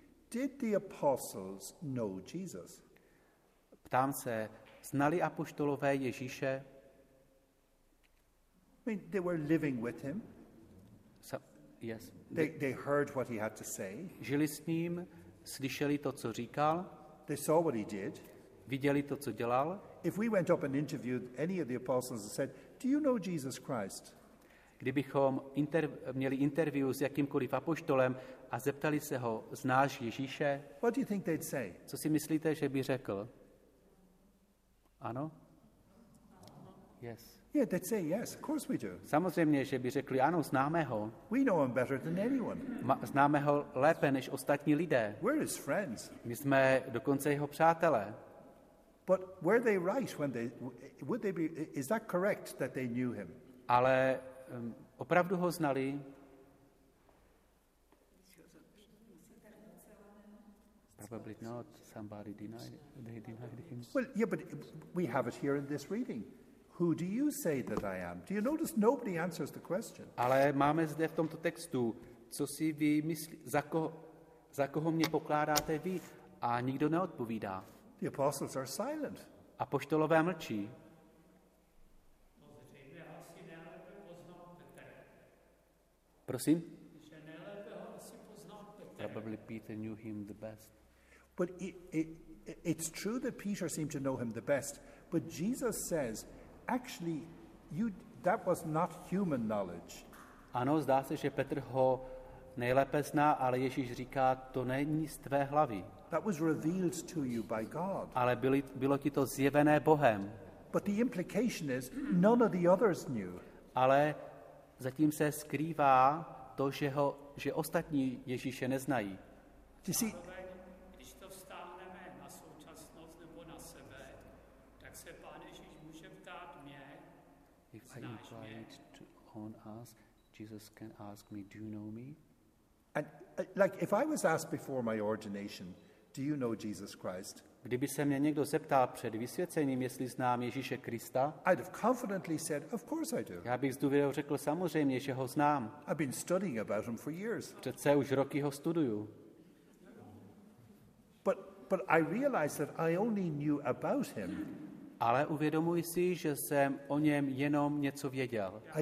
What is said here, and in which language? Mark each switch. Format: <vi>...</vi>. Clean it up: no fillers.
<en>Did the apostles know Jesus?</en> <cs>Ptám se, znali apoštolové Ježíše?</cs> <en>I mean, they were living with him. Yes. They heard what he had to say.</en> <cs>Žili s ním, slyšeli to, co říkal.</cs> <en>They saw what he did.</en> <cs>Viděli to, co dělal.</cs> <en>If we went up and interviewed any of the apostles and said, "Do you know Jesus Christ?"</en> <cs>Kdybychom měli interview s jakýmkoliv apoštolem a zeptali se ho, znáš Ježíše?</cs> <en>What do you think they'd say?</en> <cs>Co si myslíte, že by řekl? Ano?</cs> <en>Yes. Yeah, they'd say yes. Of course we do.</en> <cs>Samozřejmě, že by řekli ano, známe ho.</cs> <en>We know him better than anyone.</en> <cs>Známe ho lépe než ostatní lidé.</cs> <en>We're his friends.</en> <cs>My jsme dokonce jeho přátelé.</cs> <en>But were they right when they would they be is that correct that they knew him?</en> <cs>Ale opravdu ho znali?</cs> <en>Probably not. Somebody denied him. Well, yeah, but we have it here in this reading. Who do you say that I am? Do you notice nobody answers the question?</en> <cs>Ale máme zde v tomto textu, co si vy myslíte, za koho mě pokládáte vy? A nikdo neodpovídá.</cs> <en>The apostles are silent.</en> <cs>Apoštolové mlčí. Prosím?</cs> <en>Probably Peter knew him the best. But it's true that Peter seemed to know him the best, but Jesus says, actually, that was not human knowledge.</en> <cs>Ano, zdá se, že Petr ho nejlépe zná, ale Ježíš říká, to není z tvé hlavy.</cs> <en>That was revealed to you by God.</en> <cs>Ale bylo ti to zjevené Bohem.</cs> <en>But the implication is, none of the others knew.</en> <cs>Ale zatím se skrývá to, že ostatní Ježíše neznají. Když to vztáhneme na současnost nebo na sebe, tak se Pán Ježíš může ptát mě,</cs> <en>if I invite to on ask, Jesus can ask me, do you know me? And like if I was asked before my ordination, do you know Jesus Christ?</en> <cs>Kdyby se mě někdo zeptal před vysvěcením, jestli znám Ježíše Krista,</cs> <en>I'd have confidently said, of course I do.</en> <cs>Já bych s důvěrou řekl samozřejmě, že ho znám.</cs> <en>I've been studying about him for years.</en> <cs>Přece už roky ho studuju.</cs> <en>But I realized that I only knew about him.</en> <cs>Ale uvědomuji si, že jsem o něm jenom něco věděl.</cs>